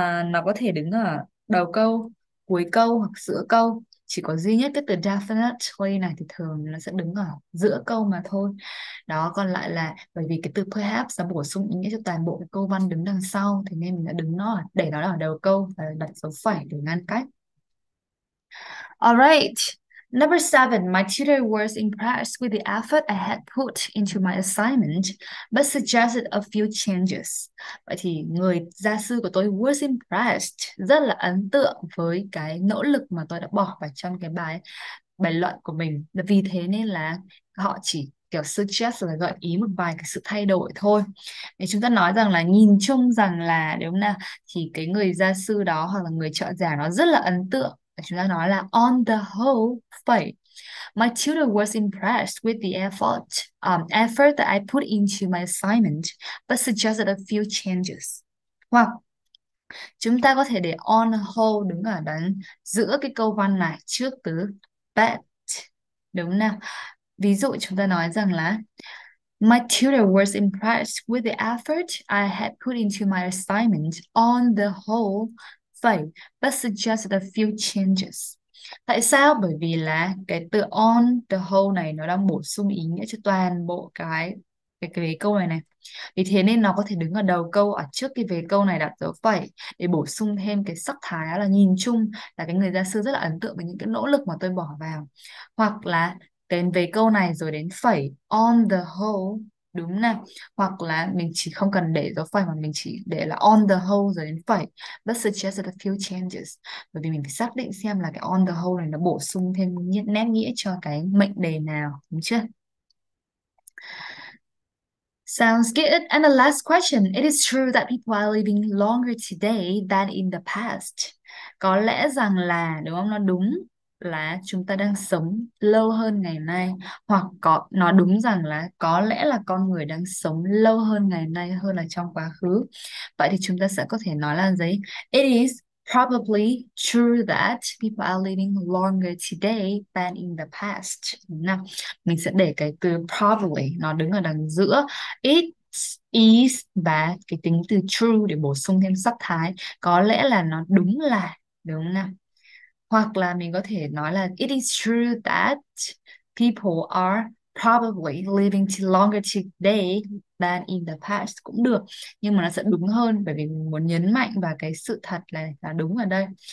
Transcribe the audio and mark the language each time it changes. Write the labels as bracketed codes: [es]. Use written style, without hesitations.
[vi] Nó có thể đứng ở đầu câu, cuối câu hoặc giữa câu. Chỉ có duy nhất cái từ definitely này thì thường nó sẽ đứng ở giữa câu mà thôi. Đó, còn lại là bởi vì cái từ perhaps nó bổ sung ý nghĩa cho toàn bộ cái câu văn đứng đằng sau, thì nên mình đã đứng nó, để nó ở đầu câu và đặt dấu phẩy để ngăn cách. [en] Alright, number seven, my tutor was impressed with the effort I had put into my assignment, but suggested a few changes. [vi] Vậy thì người gia sư của tôi was impressed, rất là ấn tượng với cái nỗ lực mà tôi đã bỏ vào trong cái bài bài luận của mình. Vì thế nên là họ chỉ kiểu suggest là gợi ý một vài cái sự thay đổi thôi. Để chúng ta nói rằng là nhìn chung rằng là đúng không nào, thì cái người gia sư đó hoặc là người trợ giảng nó rất là ấn tượng. Chúng ta nói là [en] on the whole, phải, my tutor was impressed with the effort that I put into my assignment, but suggested a few changes. [vi] Hoặc chúng ta có thể để on the whole đứng ở đằng giữa cái câu văn này trước từ but, đúng nào? Ví dụ chúng ta nói rằng là [en] my tutor was impressed with the effort I had put into my assignment on the whole, but suggested a few changes. [vi] Tại sao? Bởi vì là cái từ on the whole này nó đang bổ sung ý nghĩa cho toàn bộ cái câu này này. Vì thế nên nó có thể đứng ở đầu câu, ở trước cái vế câu này đặt dấu phẩy để bổ sung thêm cái sắc thái, là nhìn chung là cái người gia sư rất là ấn tượng với những cái nỗ lực mà tôi bỏ vào. Hoặc là đến vế câu này rồi đến phẩy on the whole, đúng nào, hoặc là mình chỉ không cần để dấu phẩy mà mình chỉ để là on the whole rồi đến phẩy [en] but suggested a few changes, [vi] bởi vì mình phải xác định xem là cái on the whole này nó bổ sung thêm nét nghĩa cho cái mệnh đề nào, đúng chưa? [en] Sounds good. And the last question. It is true that people are living longer today than in the past. [vi] Có lẽ rằng là, đúng không? Nó đúng là chúng ta đang sống lâu hơn ngày nay, hoặc có nó đúng rằng là có lẽ là con người đang sống lâu hơn ngày nay hơn là trong quá khứ. Vậy thì chúng ta sẽ có thể nói là gì? [en] It is probably true that people are living longer today than in the past. [vi] Nào, mình sẽ để cái từ probably nó đứng ở đằng giữa it is và cái tính từ true để bổ sung thêm sắc thái. Có lẽ là nó đúng là, đúng không nào? Hoặc là mình có thể nói là [en] it is true that people are probably living longer today than in the past [vi] cũng được, nhưng mà nó sẽ đúng hơn bởi vì mình muốn nhấn mạnh vào cái sự thật là đúng ở đây.